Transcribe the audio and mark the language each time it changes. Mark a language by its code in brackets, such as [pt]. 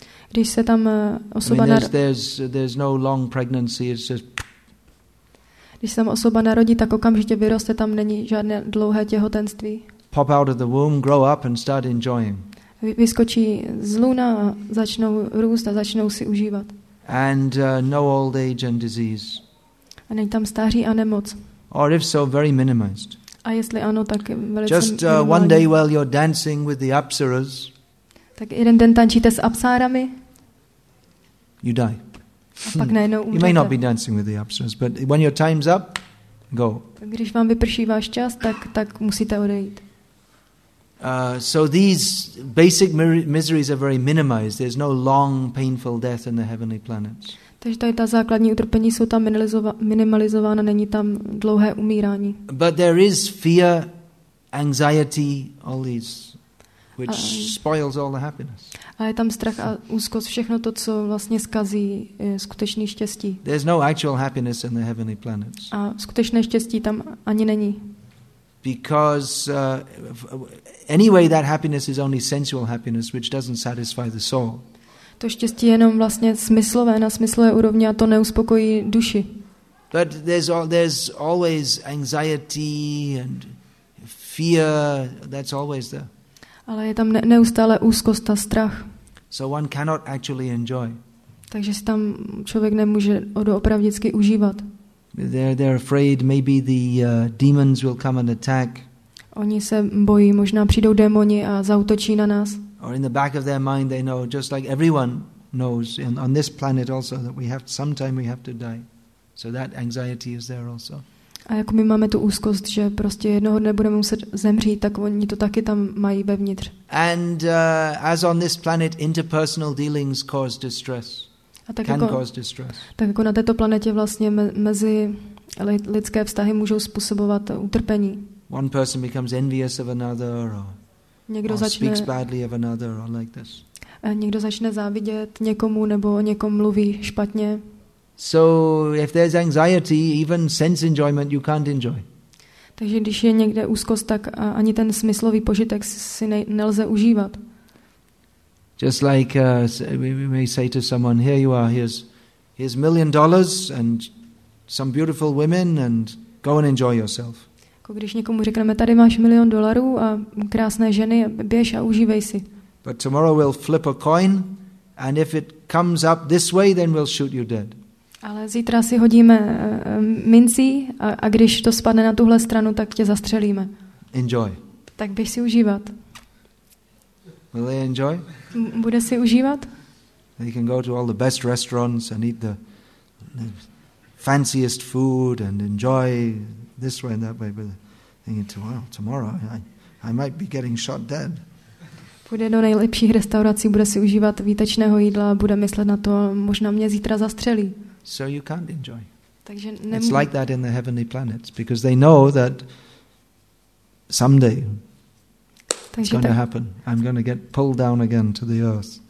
[cs] Když se tam osoba [en] there's no long pregnancy, it's just [cs] když se tam osoba narodí, tak okamžitě vyroste, tam není žádné dlouhé těhotenství. [en] Pop out of the womb, grow up and start enjoying. [cs] Vyskočí z luna a začnou růst a začnou si užívat. [en] And no old age and disease. [cs] A není tam stáří a nemoc. [en] Or if so, very minimized. [cs] A jestli ano, tak velice [en] just one day while you're dancing with the apsaras. [cs] Tak jeden den tančíte s apsárami. [en] You die. [cs] A pak najednou umřete. [en] You may not be dancing with the apsaras, but when your time's up, go. [cs] Když vám vyprší váš čas, tak musíte odejít. [en] So these basic miseries are very minimized. There's no long painful death in the heavenly planets. [cs] Takže ta základní utrpení jsou tam minimalizována, není tam dlouhé umírání. [en] But there is fear, anxiety, all these which spoils all the happiness. [cs] A je tam strach a úzkost, všechno to, co vlastně zkazí skutečný štěstí. [en] There's no actual happiness in the heavenly planets. [cs] A skutečné štěstí tam ani není. [en] Because anyway that happiness is only sensual happiness which doesn't satisfy the soul. [cs] To štěstí je jenom vlastně smyslové, na smyslové úrovni, a to neuspokojí duši. [en] But there's always anxiety and fear, that's always there. [cs] Ale je tam neustále úzkost a strach. [en] So one cannot actually enjoy. [cs] Takže si tam člověk nemůže doopravdicky užívat. [en] They're afraid maybe the demons will come and attack. [cs] Oni se bojí, možná přijdou démoni a zaútočí na nás. [en] Or in the back of their mind they know, just like everyone knows on this planet also, that sometime we have to die. So that anxiety is there also. [cs] A jako my máme tu úzkost, že prostě jednoho dne budeme muset zemřít, tak oni to taky tam mají vevnitř. [en] And as on this planet interpersonal dealings cause distress. [cs] Tak jako na této planetě vlastně mezi lidské vztahy můžou způsobovat utrpení. [en] One person becomes envious of another speaks badly of another or like this. [cs] Někdo začne závidět někomu nebo o někom mluví špatně. [en] So if there's anxiety, even sense enjoyment you can't enjoy. [cs] Takže když je někde úzkost, tak ani ten smyslový požitek si nelze užívat. [en] Just like we may say to someone, here you are, here's $1 million and some beautiful women and go and enjoy yourself. [cs] Když někomu řekneme, tady máš $1 million a krásné ženy, běž a užívej si. [en] But tomorrow we'll flip a coin and if it comes up this way, then we'll shoot you dead. [cs] Ale zítra si hodíme mincí a když to spadne na tuhle stranu, tak tě zastřelíme. [en] Enjoy. [cs] Tak běž si užívat. [en] Will they enjoy? [cs] Bude si užívat? [en] They can go to all the best restaurants and eat the fanciest food and enjoy this way and that way, but thinking, well, tomorrow I might be getting shot dead. [cs] Bude do nejlepších restaurací, bude si užívat výtečného jídla, bude myslet na to, možná mě zítra zastřelí. [en] So you can't enjoy. [cs] Takže [en] it's like that in the heavenly planets, because they know that someday it's going to happen. I'm going to get pulled down again to the earth.